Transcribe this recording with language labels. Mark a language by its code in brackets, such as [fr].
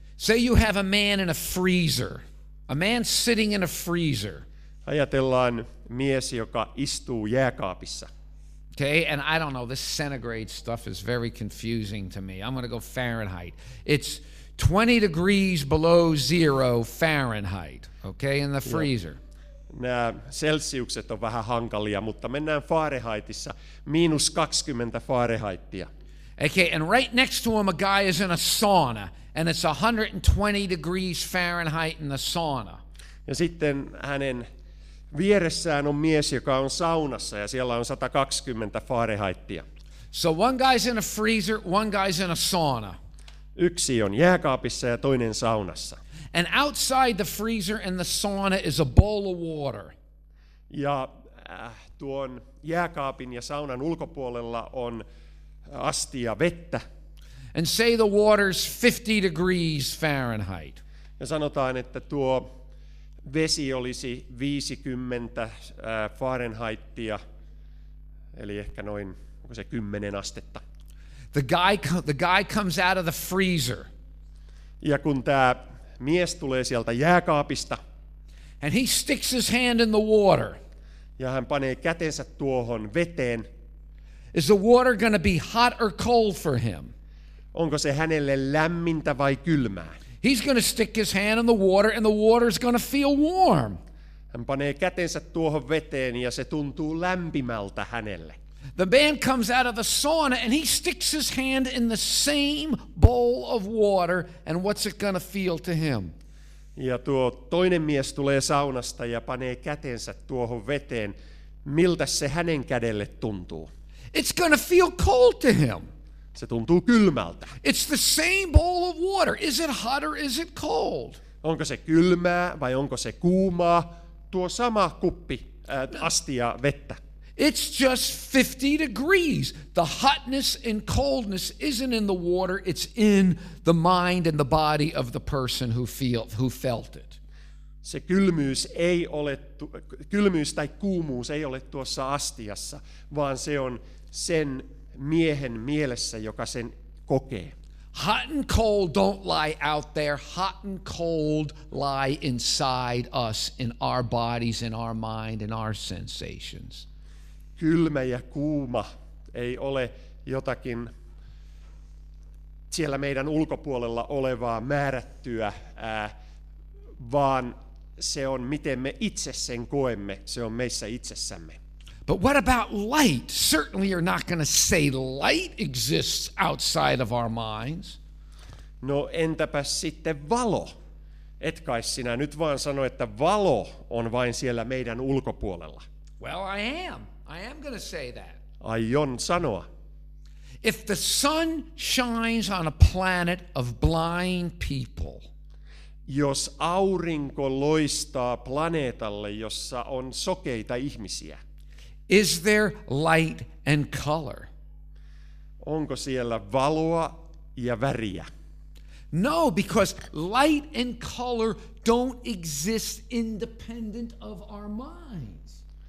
[en] Say you have a man in a freezer. A man sitting in a freezer. [fi] Ajatellaan mies, joka istuu jääkaapissa. [en] Okay, and I don't know, this centigrade stuff is very confusing to me. I'm going to go Fahrenheit. It's 20 degrees below zero Fahrenheit, okay, in the freezer. [fi] Nämä celsiukset on vähän hankalia, mutta mennään Fahrenheitissa, miinus 20 Fahrenheitia. [en] Okay, and right next to him a guy is in a sauna, and it's 120 degrees Fahrenheit in the sauna. [fi] Ja sitten hänen vieressään on mies, joka on saunassa, ja siellä on 120 Fahrenheitia. [en] So one guy's in a freezer, one guy's in a sauna. [fi] Yksi on jääkaapissa ja toinen saunassa. [en] And outside the freezer and the sauna is a bowl of water. [fi] Ja tuon jääkaapin ja saunan ulkopuolella on astia vettä. [en] And say the water's 50 degrees Fahrenheit. [fi] Ja sanotaan, että tuo vesi olisi 50 Fahrenheitia, eli ehkä noin, onko se 10 astetta. [en] The guy comes out of the freezer. [fi] Ja kun tää mies tulee sieltä jääkaapista. [en] And he sticks his hand in the water. [fi] Ja hän panee kätensä tuohon veteen. [en] Is the water going to be hot or cold for him? [fi] Onko se hänelle lämmintä vai kylmää? [en] He's going to stick his hand in the water and the water is going to feel warm. [fi] Hän panee kätensä tuohon veteen ja se tuntuu lämpimältä hänelle. [en] The man comes out of the sauna and he sticks his hand in the same bowl of water, and what's it going to feel to him? [fi] Ja tuo toinen mies tulee saunasta ja panee kätensä tuohon veteen. Miltä se hänen kädelle tuntuu? [en] It's going to feel cold to him. [fi] Se tuntuu kylmältä. [en] It's the same bowl of water. Is it hot or is it cold? [fi] Onko se kylmää vai onko se kuumaa? Tuo sama kuppi, astia vettä. [en] It's just 50 degrees. The hotness and coldness isn't in the water, it's in the mind and the body of the person who felt it. [fi] Se kylmyys ei ole kylmyys tai kuumuus ei ole tuossa astiassa, vaan se on sen miehen mielessä, joka sen kokee. [en] Hot and cold don't lie out there. Hot and cold lie inside us, in our bodies, in our mind, in our sensations. [fi] Kylmä ja kuuma ei ole jotakin siellä meidän ulkopuolella olevaa määrättyä, vaan se on, miten me itse sen koemme, se on meissä itsessämme. [en] But what about light? Certainly you're not going to say light exists outside of our minds. [fi] No entäpä sitten valo? Et kai sinä nyt vaan sano, että valo on vain siellä meidän ulkopuolella. [en] Well, I am going to say that. [fi] Aion sanoa. [en] If the sun shines on a planet of blind people. [fi] Jos aurinko loistaa planeetalle, jossa on sokeita ihmisiä. [en] Is there light and color? [fi] Onko siellä valoa ja väriä? [en] No, because light and color don't exist independent of our minds.